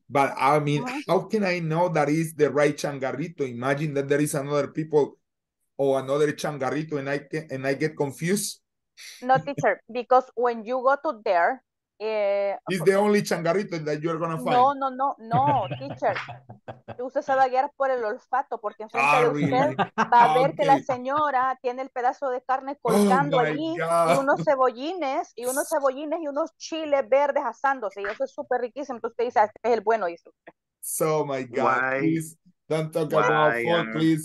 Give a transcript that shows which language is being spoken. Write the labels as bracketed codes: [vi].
[en] But I mean, how can I know that is the right changarrito? Imagine that there is another people or another changarrito, and I get confused. No, teacher, because when you go to there, it's the only changarrito that you're gonna find. No, teacher. [es] Usted se va a guiar por el olfato, porque enfrente de usted va a ver que la señora tiene el pedazo de carne colgando allí, y unos cebollines y unos chiles verdes asándose, y eso es súper riquísimo. Entonces usted dice, este es el bueno. Y [en] so, my God, please don't talk about food, please.